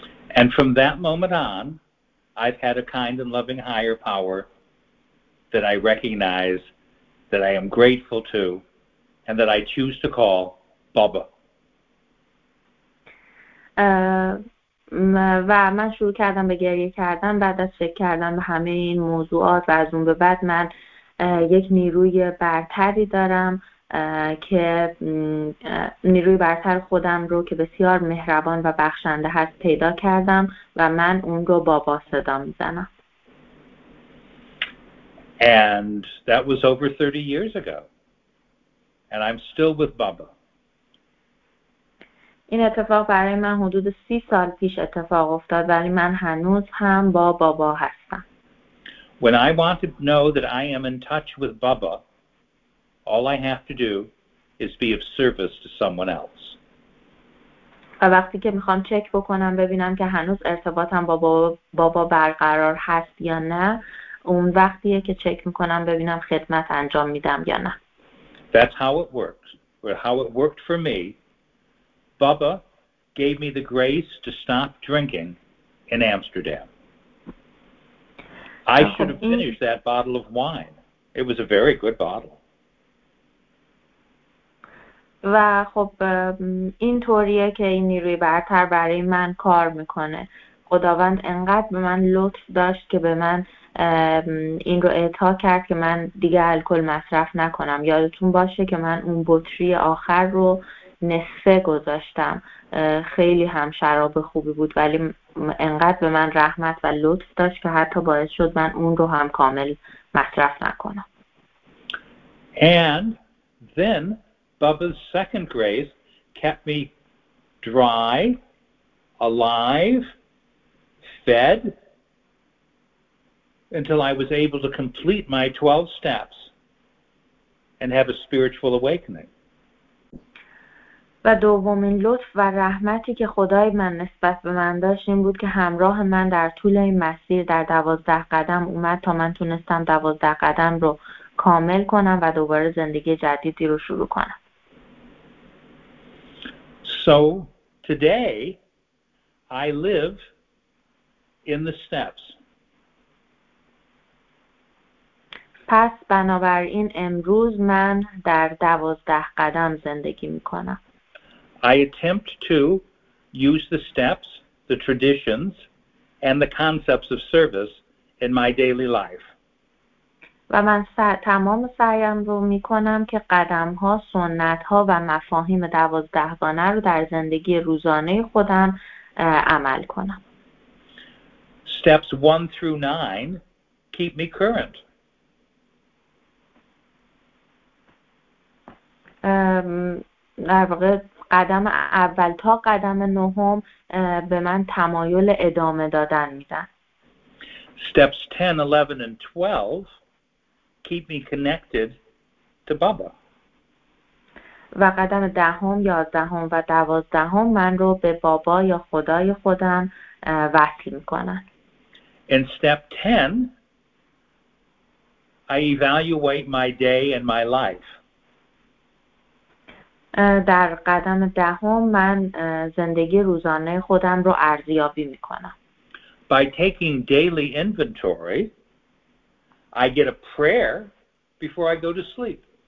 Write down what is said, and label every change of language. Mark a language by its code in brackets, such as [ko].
[en] And from that moment on, I've had a kind and loving higher power that I recognize, that I am grateful to, and that I choose to call Baba. [fa] و من شروع کردم به گریه کردن بعد از فکر کردن به همه این موضوعات و از اون به بعد من یک نیروی برتری دارم که نیروی برتر خودم رو که بسیار مهربان و بخشنده هست پیدا کردم و من اون رو بابا صدا میزنم. [en] And that was over 30 years ago. And I'm still with Baba. [fa] این اتفاق برای من حدود 30 سال پیش اتفاق افتاد ولی من هنوز هم با بابا هستم. [en] When I want to know that I am in touch with Baba, all I have to do is be of service to someone else. [fa] و وقتی که میخوام چک بکنم ببینم که هنوز ارتباطم با بابا برقرار هست یا نه، اون وقتیه که چک میکنم ببینم خدمت انجام میدم یا نه. [en] That's how it works. Or how it worked for me. Baba gave me the grace to stop drinking in Amsterdam. I should have finished that bottle of wine. It was a very good bottle. [fa] و خب این طوریه که این نیروی برتر برای من کار میکنه. خداوند انقدر به من لطف داشت که به من این رو اعطا کرد که من دیگه الکل مصرف نکنم. یادتون باشه که من اون بطری آخر رو نصفه گذاشتم. خیلی هم شراب خوبی بود ولی انقدر به من رحمت و لطف داشت که حتی باعث شد من اون رو هم کامل مصرف نکنم. [en] And then Bubba's second grace kept me dry, alive, fed until I was able to complete my 12 steps and have a spiritual awakening. [fa] و دومین لطف و رحمتی که خدای من نسبت به من داشت این بود که همراه من در طول این مسیر در 12 قدم اومد تا من تونستم 12 قدم رو کامل کنم و دوباره زندگی جدیدی رو شروع کنم. [en] So today I live in the steps. [fa] پس بنابراین امروز من در 12 قدم زندگی میکنم. [en] I attempt to use the steps, the traditions, and the concepts of service in my daily life. [fa] و من تمام سعیم رو میکنم که قدم‌ها، سنت‌ها و مفاهیم 12 گانه رو در زندگی روزانه خودم عمل کنم. [en] Steps 1 through 9 keep me current. [fa] در واقع قدم اول تا قدم نهم به من تمایل ادامه دادن میدن. [en] Steps 10, 11 and 12 keep me connected to Baba. [fa] و قدم دهم، یازدهم و دوازدهم من رو به بابا یا خدای خودم وصل میکنن. [en] In step 10 I evaluate my day and my life. [fa] در قدم دهم من زندگی روزانه خودم رو ارزیابی میکنم. [en] By taking daily inventory, I get a prayer before I go to sleep.